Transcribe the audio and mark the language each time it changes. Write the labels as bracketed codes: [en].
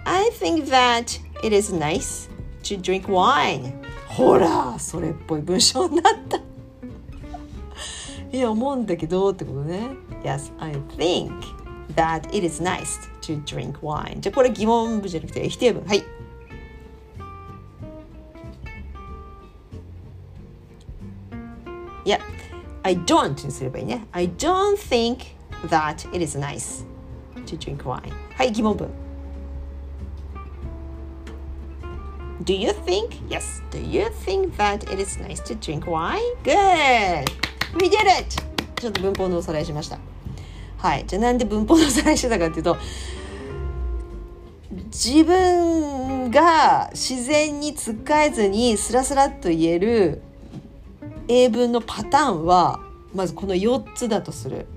[en] I think thatIt is nice to drink wine. [ja] ほら、それっぽい文章になった。いや、思うんだけどってことね。 [en] Yes, I think that it is nice to drink wine. [ja] じゃあこれ疑問文じゃなくて否定文。はい。 [en] Yeah, I don't [ja] にすればいいね。 [en] I don't think that it is nice to drink wine. [ja] はい、疑問文。 [en] Do you think? Yes. Do you think that it is nice to drink wine? Good. We did it. [ja] ちょっと文法のおさらいしました。はい。じゃあなんで文法のおさらいしてたかっていうと、自分が自然につっかえずにスラスラと言える英文のパターンはまずこの4つだとする。